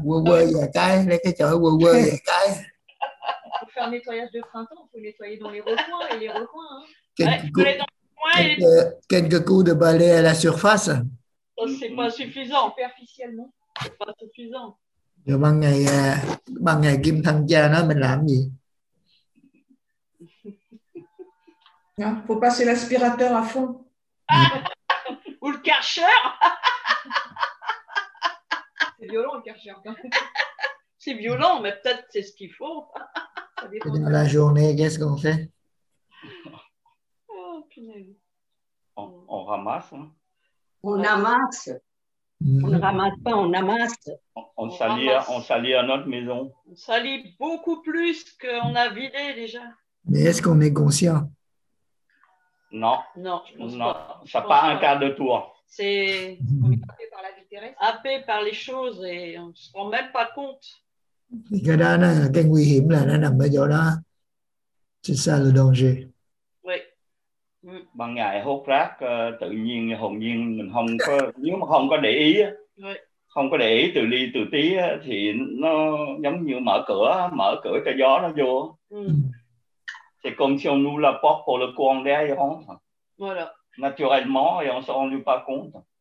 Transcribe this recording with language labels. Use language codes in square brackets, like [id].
[fr] Pour faire un nettoyage de printemps, il faut nettoyer dans les recoins et les recoins. Hein. Quelques coups de balai à la surface. C'est pas suffisant. Superficiellement, c'est pas suffisant. [vi] Rồi ban ngày Kim Thăng Cha nói mình làm gì? [fr] Non, faut passer l'aspirateur à fond. Ou le Kärcher. C'est violent le Kärcher. C'est violent, mais peut-être c'est ce qu'il faut. Ça dépend. Dans la journée, qu'est-ce qu'on fait? On ramasse. Hein? On amasse. On ne ramasse pas, on amasse. On salit à notre maison. On salit beaucoup plus qu'on a vidé déjà. Mais est-ce qu'on est conscient? Non. Non, non. Ça part un quart de tour. C'est happé par la vie terrestre. Happé par les choses et on ne se rend même pas compte. [vi] Cái đó là cái nguy hiểm là nó nằm ở chỗ đó. [fr] C'est ça le danger. [vi] Bằng ngày hốt rác tự nhiên hồn nhiên mình không có, nếu mà không có để ý, không có để ý từ ly từ tí thì nó giống như mở cửa cho gió nó vô. [fr] C'est comme si on nous la porte pour le courant d'air, voilà. Naturellement et on s'en rend pas compte.